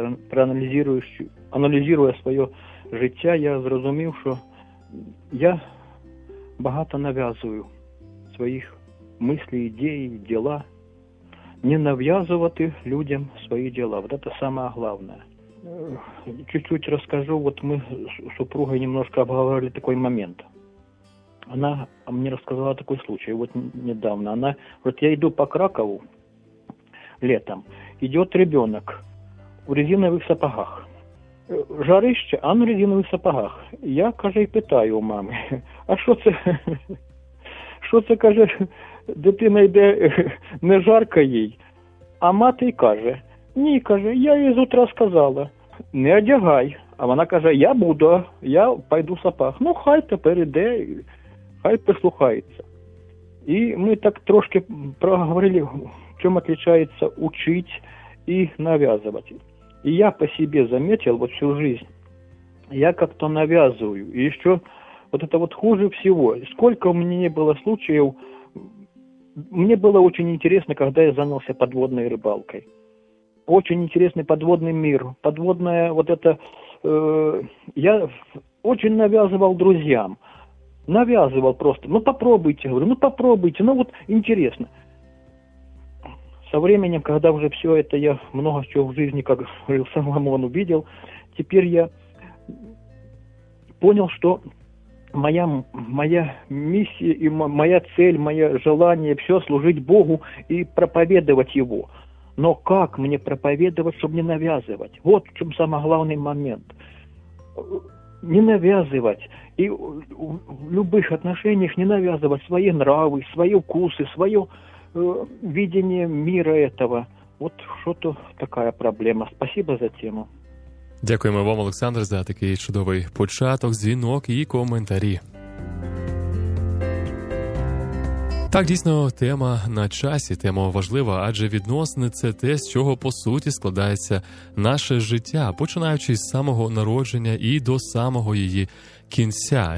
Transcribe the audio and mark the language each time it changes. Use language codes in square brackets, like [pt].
[uk] Аналізуючи своє життя, я зрозумів, що я багато нав'язую своїх мислей, ідей, діла. Не нав'язувати людям свої діла. [ru] Вот это самое главное. [uk] Чуть-чуть розкажу. Вот ми з супругою немножко обговорили такий момент. Вона мені розказала такий случай. Вот недавно. Вона, вот я йду по Кракову летом. [ru] Идет ребенок в резинових сапогах. [uk] Жарище, а на резинових сапогах. Я, каже, і питаю у мами. А що це? Що це, каже, дитина йде, не жарко їй? А мати каже, ні, каже, я їй з утра сказала, не одягай. А вона каже, я буду, я пойду в сапах. Ну, хай тепер іде, хай послухається. І ми так трошки проговорили, чим відрізняється учить і нав'язувати. І я по собі заметив, от всю життя, я як-то нав'язую. І що, от це от хуже всього. Скільки в мені було случаїв, [ru] мне было очень интересно, когда я занялся подводной рыбалкой. Очень интересный подводный мир. Подводная вот это... я очень навязывал друзьям. Навязывал просто. Ну попробуйте, говорю, ну попробуйте. Ну вот интересно. Со временем, когда уже все это, я много чего в жизни, как говорил Соломон, увидел, теперь я понял, что... Моя миссия и моя цель, мое желание все служить Богу и проповедовать Его. Но как мне проповедовать, чтобы не навязывать? Вот в чем самый главный момент. Не навязывать. И в любых отношениях не навязывать свои нравы, свои вкусы, свое видение мира этого. Вот что-то такая проблема. Спасибо за тему. [uk] Дякуємо вам, Олександр, за такий чудовий початок, дзвінок і коментарі. Так, дійсно, тема на часі, тема важлива, адже відносини – це те, з чого, по суті, складається наше життя, починаючи з самого народження і до самого її кінця.